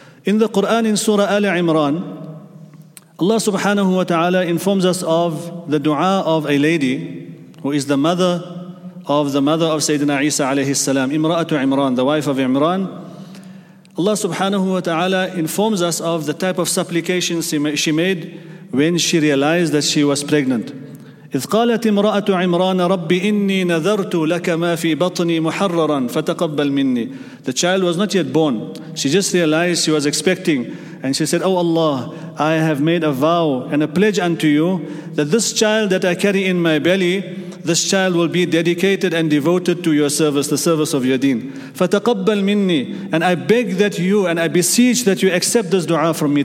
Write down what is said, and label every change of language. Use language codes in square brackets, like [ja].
[en] In the Quran, in Surah Ali Imran, Allah subhanahu wa ta'ala informs us of the dua of a lady who is the mother of Sayyidina Isa alayhi salam, Imra'atu Imran, the wife of Imran. Allah subhanahu wa ta'ala informs us of the type of supplication she made when she realized that she was pregnant. [ar] إذ قالت امرأة عمران ربي إني نذرت لك ما في بطني محررا فتقبل مني [en] The child was not yet born. She just realized she was expecting. And she said, Oh Allah, I have made a vow and a pledge unto you that this child that I carry in my belly, this child will be dedicated and devoted to your service, the service of your deen. [ar] فَتَقَبَّلْ مِنِّي. [en] And I beg that you, and I beseech that you accept this dua from me.